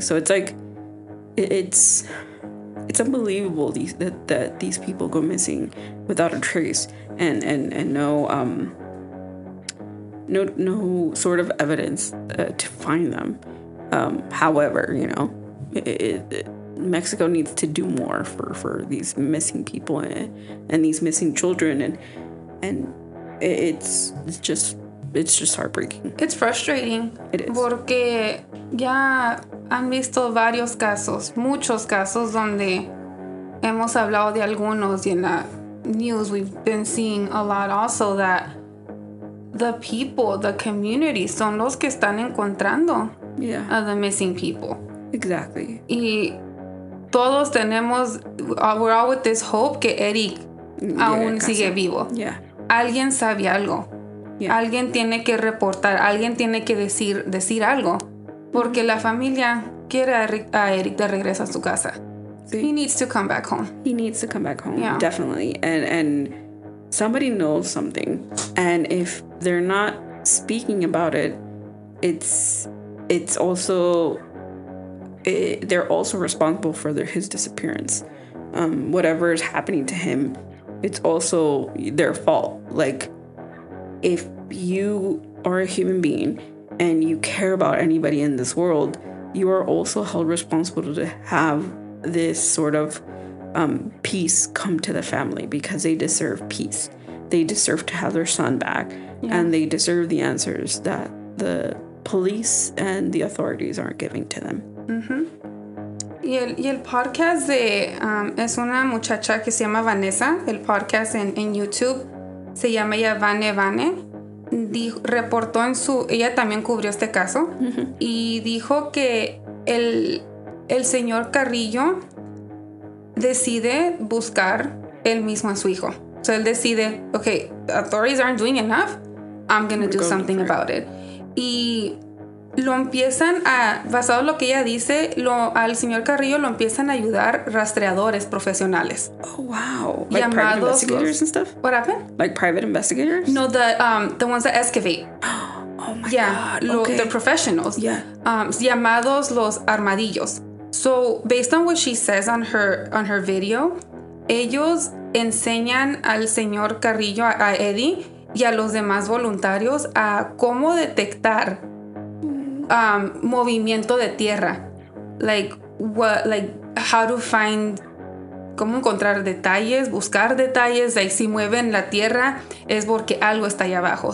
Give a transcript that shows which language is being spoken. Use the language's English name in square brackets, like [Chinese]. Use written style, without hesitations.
[English] So it's like, it's unbelievable that these people go missing without a trace and no sort of evidence to find them. However, you know. Mexico needs to do more for these missing people and these missing children, and it's just heartbreaking. It's frustrating. It is. [Spanish] Porque ya han visto varios casos, muchos casos donde hemos hablado de algunos, y en la news [English] we've been seeing a lot also that the people, the community, [Spanish] son los que están encontrando, [English] yeah, a the missing people. Exactly. [Spanish] Y todos tenemos, [English] we're all with this hope [Spanish] que Eric, yeah, aún sigue vivo. [English] Yeah. [Spanish] Alguien sabe algo. [English] Yeah. [Spanish] Alguien tiene que reportar. Alguien tiene que decir algo. Porque la familia quiere a Eric de regreso a su casa. [English] See? He needs to come back home. He needs to come back home. Yeah. Definitely. And somebody knows something. And if they're not speaking about it, it's also... they're also responsible for his disappearance. Whatever is happening to him, it's also their fault. Like, if you are a human being and you care about anybody in this world, you are also held responsible to have this sort of peace come to the family, because they deserve peace. They deserve to have their son back, yeah, and they deserve the answers that the police and the authorities aren't giving to them. Uh-huh. [Spanish] Y el podcast de es una muchacha que se llama Vanessa. El podcast en YouTube se llama ella Vane. Reportó en su... Ella también cubrió este caso. Uh-huh. Y dijo que el señor Carrillo decide buscar él mismo a su hijo. So él decide, [English] okay, authorities aren't doing enough. I'm gonna do going something to about it. [Spanish] Y... lo empiezan a, basado en lo que ella dice, al señor Carrillo lo empiezan a ayudar rastreadores profesionales. [English] Oh, wow. Like [Spanish] llamados [English] private investigators and stuff? What happened? Like private investigators? No, the ones that excavate. Oh, my, yeah, God. Yeah, okay. The professionals. Yeah. [Spanish] Llamados los armadillos. [English] So, based on what she says on her video, [Spanish] ellos enseñan al señor Carrillo, a Eddie, y a los demás voluntarios a cómo detectar movimiento de tierra, [English] like what, like how to find, [Spanish] cómo encontrar detalles, buscar detalles, like si mueven la tierra es porque algo está ahí abajo.